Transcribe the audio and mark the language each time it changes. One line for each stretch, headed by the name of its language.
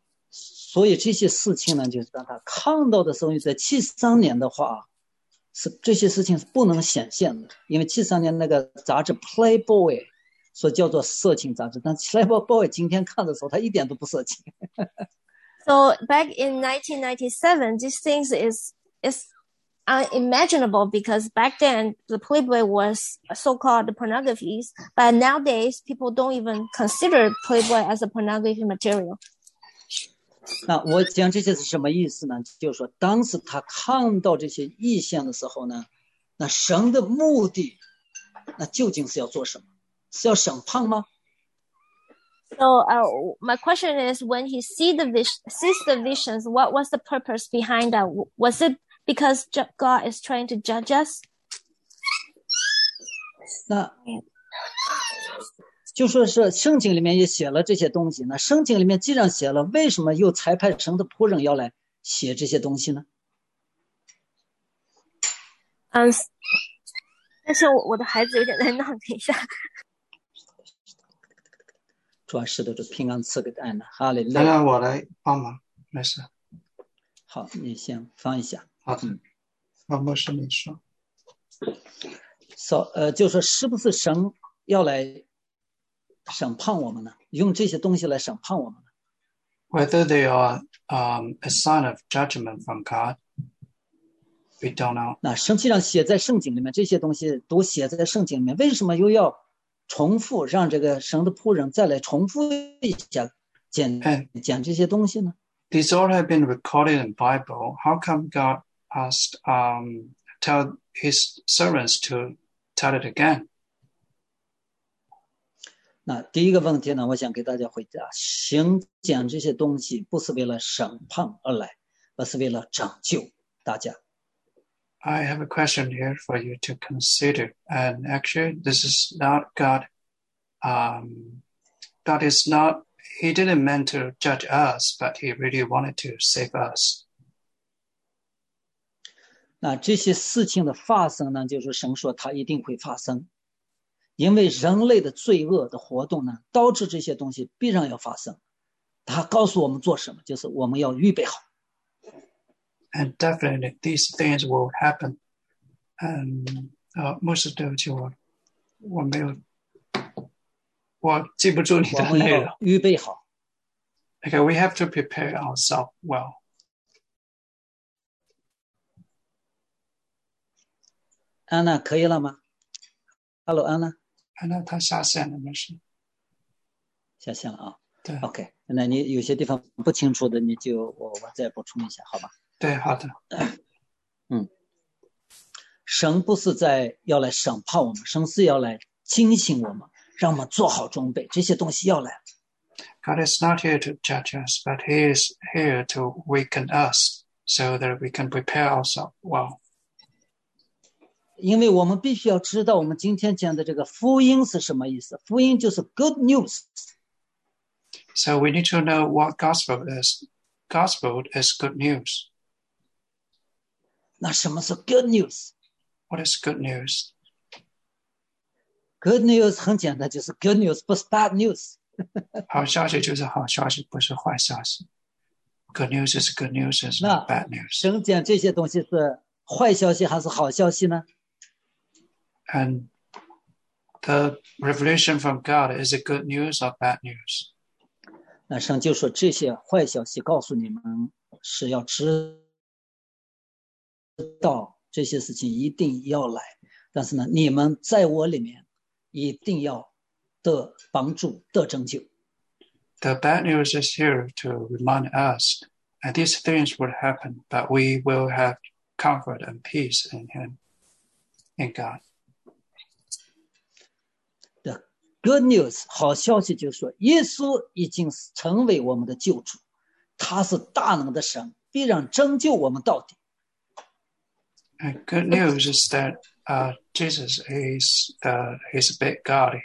Chinese: 所以这些事情呢，就是让他看到的时候，在73年的话，是这些事情是不能显现的，因为73年那个杂志 Playboy 所叫做色情杂志，但 Playboy 今天看的时候，它一点都不色情。
English: So back in 1997, these things is unimaginable because back then the Playboy was so-called pornographies, but nowadays people don't even consider Playboy as a pornography material.
Chinese: 那我讲这些是什么意思呢？就是说当时他看到这些异象的时候呢，那神的目的，那究竟是要做什么？是要审判吗？
English: So my question is, when he sees the visions, what was the purpose behind that? Was it because God is trying to judge us?
Chinese: 那就说是圣经里面也写了这些东西呢。圣经里面既然写了，为什么又裁派神的仆人要来写这些东西呢？但是我的孩子有点在闹，等一下。主啊，使徒的平安赐给安娜，哈利路亚。来让我来帮忙，没事。好，你先放一下。好，那牧师你说。就说是不是神要来审判我们呢？用这些东西来审判我们呢
English: ？Whether they are a sign of judgment from God, we don't know.
Chinese: 那圣经上写在圣经里面，这些东西都写在圣经里面，为什么又要？重复让这个神的仆人再来重复一下，讲这些东西呢
English: ？These all have been recorded in Bible. How come God asked tell His servants to tell it again?
Chinese: 那第一个问题呢，我想给大家回答：神讲这些东西不是为了审判而来，而是为了拯救大家。
English: I have a question here for you to consider, and actually, this is not God. God is not. He didn't mean to judge us, but he really wanted to save us.
Chinese: 那这些事情的发生呢，就是神说他一定会发生，因为人类的罪恶的活动呢，导致这些东西必然要发生。他告诉我们做什么，就是我们要预备好。
English: And definitely, these things will happen. And most of the time,
Chinese: 我没有，我记不住你的内容。预备好。
English: Okay, we have to prepare ourselves well.
Chinese: 安娜，可以了吗 ？Hello, 安娜。安娜，她下线了，没事。下线了啊。对。 Okay, 那你有些地方不清楚的，你就我再补充一下，好吧？对，好的。神不是在要来审判我们，神是要来警醒我们，让我们做好装备。这些东西要来。
English: God is not here to judge us, but He is here to weaken us so that we can prepare ourselves well.
Chinese: 因为我们必须要知道我们今天讲的这个福音是什么意思。福音就是
English: good news. So we need to know what gospel is. Gospel is good news.
Chinese: 那什么是
English: good news? What is good news? Good news
Chinese: 很简单，就是
English: good news
Chinese: 不是
English: bad news。
Chinese: 好消息就是好消息，不是坏消息。
English: Good news is good news, is not bad news.
Chinese: 神讲这些东西是坏消息还是好消息呢？
English: And the revelation from God, is it good news or bad news?
Chinese: 那神就说这些坏消息告诉你们是要知道这些事情一定要来，但是呢，你们在我里面一定要得帮助得拯救。
English: The bad news is here to remind us that these things would happen, but we will have comfort and peace in Him, in God. The good news,
Chinese: 好消息就是说，耶稣已经成为我们的救主，他是大能的神，必然拯救我们到底。
English: And good news is that Jesus is his big God.